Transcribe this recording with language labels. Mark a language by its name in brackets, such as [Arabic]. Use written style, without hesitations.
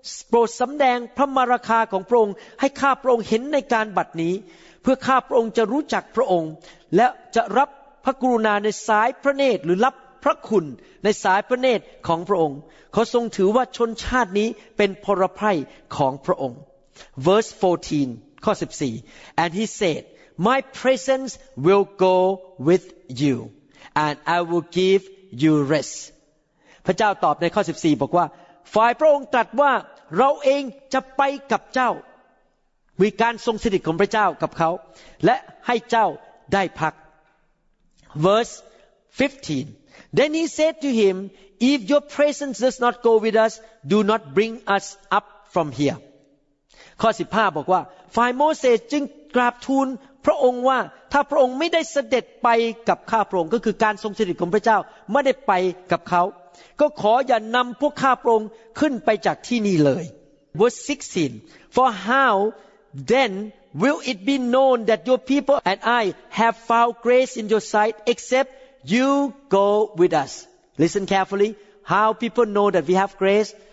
[Thai] โปรดสำแดงพระมรคาของพระองค์ให้ข้าพระองค์เห็นในการบัดนี้เพื่อข้าพระองค์จะรู้จักพระองค์และจะรับพระกรุณาในสายพระเนตรหรือรับพระคุณในสายพระเนตรของพระองค์ขอทรงถือว่าชนชาตินี้เป็นพลไพร่ของพระองค์ verse 14 ข้อ 14 [English] and he saidMy presence will go with you, and I will give you rest. [Thai] พระเจ้าตอบในข้อ14บอกว่าฝ่ายพระองค์ตรัสว่าเราเองจะไปกับเจ้ามีการทรงสถิตของพระเจ้ากับเขาและให้เจ้าได้พัก Verse 15. [English] Then he said to him, If your presence does not go with us, do not bring us up from here. [Thai] ข้อ15บอกว่าฝ่ายโมเสสจึงกราบทูลพระองค์ว่าถ้าพระองค์ไม่ได้เสด็จไปกับข้าพระองค์ก็คือการทรงสถิตของพระเจ้าไม่ได้ไปกับเขาก็ขออย่านำพวกข้าพระองค์ขึ้นไปจากที่นี่เลย [English] Verse 16 For how then will it be known that your people and I have found grace in your sight except you go with us Listen carefully How people know that we have grace